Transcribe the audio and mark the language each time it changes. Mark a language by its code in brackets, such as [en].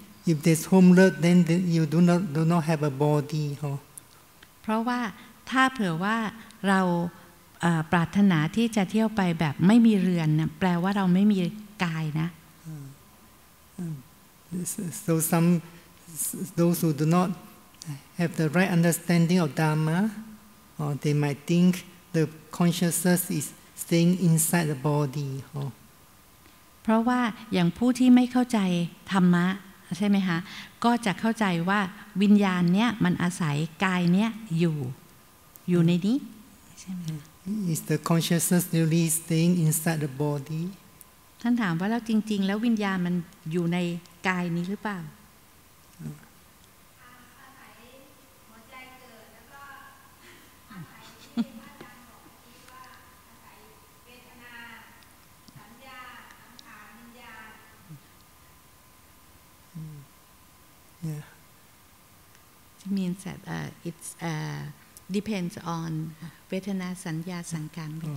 [en] If there's homeless then you do not have a body huh? [th] เพราะว่าถ้าเผื่อว่าเราปรารถนาที่จะเที่ยวไปแบบไม่มีเรือนนะแปลว่าเราไม่มีกายนะ [en] so some those who do not have the right understanding of Dharma, or they might think the consciousness is staying inside the body. Or [th] เพราะว่าอย่างผู้ที่ไม่เข้าใจธรรมะใช่ไหมคะก็จะเข้าใจว่าวิญญาณเนี้ยมันอาศัยกายเนี้ยอยู่ในนี้ [en] Is the consciousness really staying inside the body? [th] ท่านถามว่าแล้วจริงๆแล้ววิญญาณมันอยู่ในกายนี้หรือเปล่า [en] Means that it's depends on vetana sanya sankar